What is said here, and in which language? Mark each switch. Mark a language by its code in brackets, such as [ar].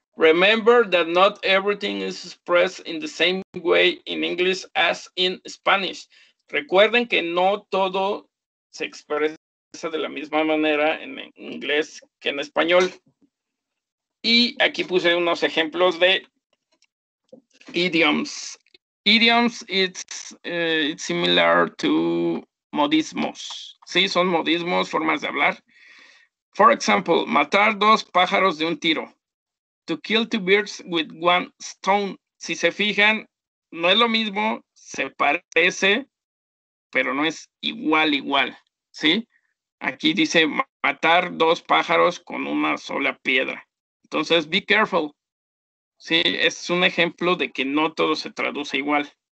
[en] Remember that not everything is expressed in the same way in English as in Spanish. [es] Recuerden que no todo se expresa de la misma manera en inglés que en español. Y aquí puse unos ejemplos de idioms. [en] Idioms, it's similar to modismos. [es] Sí, son modismos, formas de hablar. [en] For example, [es] matar dos pájaros de un tiro. [en] To kill two birds with one stone. [es] Si se fijan, no es lo mismo, se parece, pero no es igual, ¿sí? Aquí dice matar dos pájaros con una sola piedra. Entonces, [en] be careful. [es] Sí, es un ejemplo de que no todo se traduce igual.